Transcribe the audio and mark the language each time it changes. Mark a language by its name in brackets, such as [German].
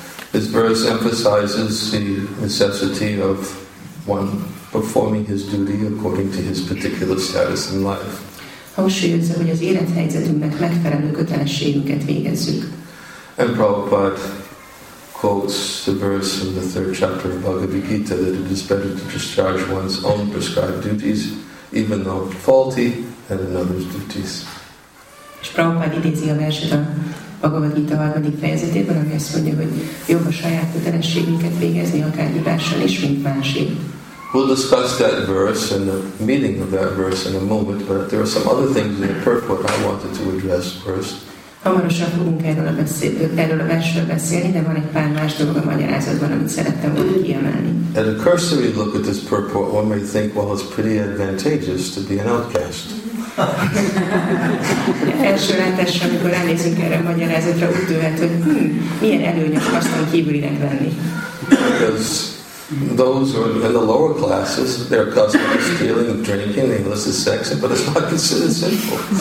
[English] This verse emphasizes the necessity of one performing his duty according to his particular status in life. [Hungarian] Hangsúlyozza, hogy az élethelyzetünknek megfelelő kötelességünket végezzük. [English] And Prabhupada quotes the verse in the third chapter of Bhagavad Gita that it is better to discharge one's own prescribed duties, even though faulty, than another's duties. [Hungarian] És Prabhupada idézi a verset a Bhagavad Gita harmadik fejezetében, ami azt mondja, hogy jobb a saját kötelességünket végezni, akár hibással is, mint másé. [English] We'll discuss that verse and the meaning of that verse in a moment, but there are some other things in the purport I wanted to address first. [Hungarian] Hamarosan fogunk erről a versről beszélni, de van egy pár más dolog a magyarázatban, amit szerettem volna kiemelni. [English] At a cursory look at this purport, one may think, well, it's pretty advantageous to be an outcast. [Hungarian] Első látásra, amikor ránézünk erre a magyarázatra, úgy tűnhet, hogy milyen előnyös hasznon kívülinek lenni. [English] Because those who are in the lower classes, they're accustomed to stealing, drinking, and illicit sex, but it's not considered sinful.